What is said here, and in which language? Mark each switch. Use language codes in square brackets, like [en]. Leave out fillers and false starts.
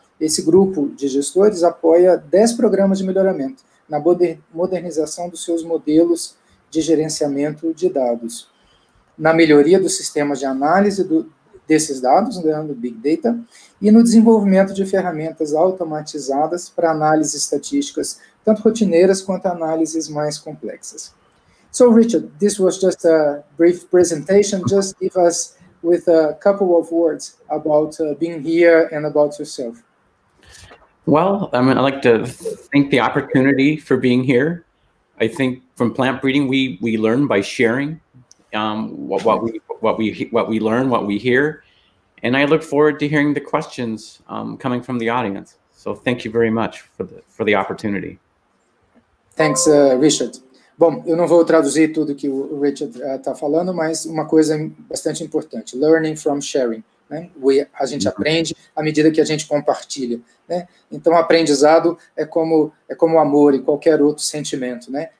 [pt] Esse grupo de gestores apoia 10 programas de melhoramento na modernização dos seus modelos de gerenciamento de dados, na melhoria dos sistemas de análise desses dados, ganhando Big Data, e no desenvolvimento de ferramentas automatizadas para análises estatísticas, tanto rotineiras quanto análises mais complexas. [en] So, Richard, this was just a brief presentation. Just leave us with a couple of words about being here and about yourself. Well, I mean, I like to thank the opportunity for being here. I think from plant breeding, we learn by sharing what we learn, what we hear. And I look forward to hearing the questions coming from the audience. So thank you very much for the opportunity. Thanks, Richard. [pt] Bom, eu não vou traduzir tudo que o Richard está falando, mas uma coisa bastante importante: [en] learning from sharing, [pt] né? A gente aprende à medida que a gente compartilha, né? Então, aprendizado é como o amor e qualquer outro sentimento, né?